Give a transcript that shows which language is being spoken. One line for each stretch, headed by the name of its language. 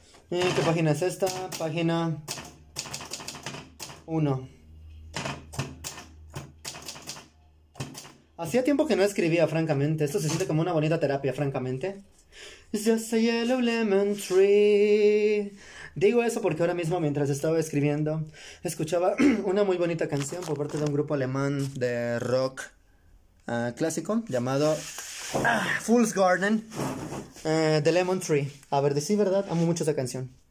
Spanish: ¿Qué página es esta? Página 1. Hacía tiempo que no escribía, francamente. Esto se siente como una bonita terapia, francamente.
English: It's just a yellow lemon tree.
Spanish: Digo eso porque ahora mismo, mientras estaba escribiendo, escuchaba una muy bonita canción por parte de un grupo alemán de rock clásico llamado Fool's Garden de Lemon Tree. A ver, de sí, ¿verdad? Amo mucho esa canción.